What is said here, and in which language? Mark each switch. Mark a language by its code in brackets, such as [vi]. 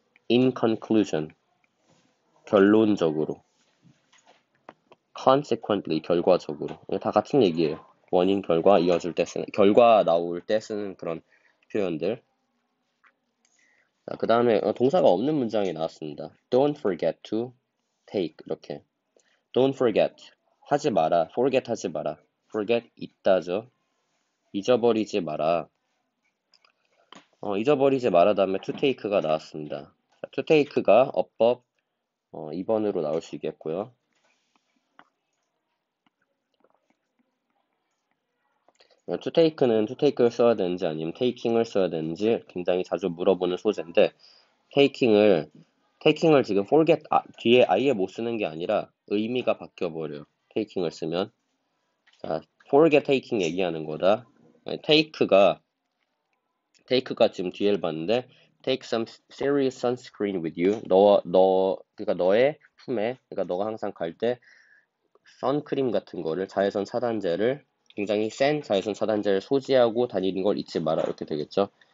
[en] In conclusion, [ko] 결론적으로, consequently, 결과적으로, 다 같은 얘기예요. 원인, 결과 이어질 때 쓰는, 결과 나올 때 쓰는 그런 표현들. 자, 그 다음에 동사가 없는 문장이 나왔습니다. [en] Don't forget to take 이렇게. Don't forget [ko] 하지 마라. Forget 하지 마라. Forget 잊다죠. 잊어버리지 마라. 잊어버리지 마라 다음에 to take가 나왔습니다. To take가 어법 2번으로 나올 수 있겠고요. 투 테이크는 투 테이크를 써야 되는지 아니면 테이킹을 써야 되는지 굉장히 자주 물어보는 소재인데, 테이킹을 지금 forget 뒤에 아예 못 쓰는 게 아니라 의미가 바뀌어 버려요. 테이킹을 쓰면, 자, [en] forget taking [ko] 얘기하는 거다. 테이크가 지금 뒤에 봤는데, [en] take some serious sunscreen with you. [ko] 그러니까 너의 품에, 그러니까 너가 항상 갈때 선크림 같은 거를, 자외선 차단제를, 굉장히 센 자외선 차단제를 소지하고 다니는 걸 잊지 마라. 이렇게 되겠죠.